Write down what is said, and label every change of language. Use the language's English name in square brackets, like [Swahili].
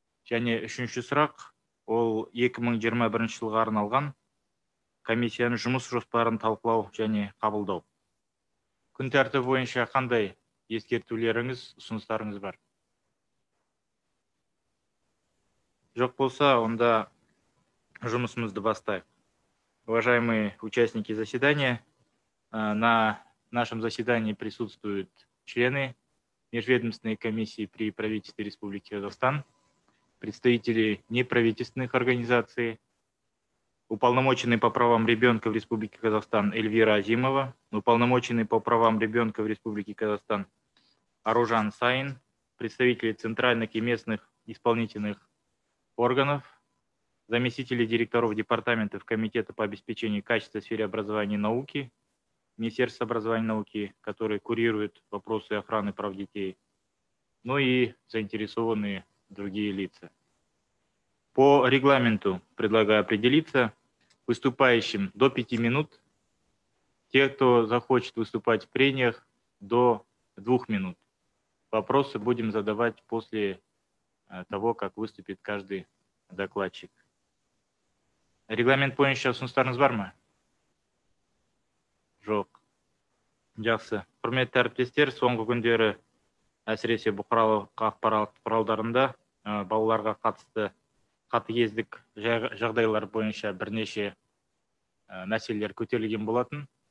[Kazakh] Және үшінші сұрақ, ол 2021 жылға арналған комиссияның жұмыс жоспарын талқылау және қабылдау. Күн тәртібі бойынша қандай ескертулеріңіз, ұсыныстарыңыз бар? Жоқ болса, онда жұмысымызды бастайық. [Russian] Уважаемые участники заседания, на нашем заседании присутствуют члены Межведомственной комиссии при правительстве Республики Казахстан, представители неправительственных организаций, уполномоченный по правам ребенка в Республике Казахстан Эльвира Азимова, уполномоченный по правам ребенка в Республике Казахстан Аружан Саин, представители центральных и местных исполнительных органов, заместители директоров департаментов Комитета по обеспечению качества в сфере образования и науки, Министерство образования и науки, которые курируют вопросы охраны прав детей, ну и заинтересованные другие лица. По регламенту предлагаю определиться выступающим до 5 минут, те, кто захочет выступать в прениях, до 2 минут. Вопросы будем задавать после того, как выступит каждый докладчик. [Kazakh] Регламент бойынша ұсыныстарыңыз бар ма? Жоқ. Жақсы. Құрметті әріптестер, соңғы күндері әсіресе бұқаралық ақпарат құралдарында балаларға қатысты қатыгездік жағдайлар бойынша бірнеше мәселелер көтерілген болатын.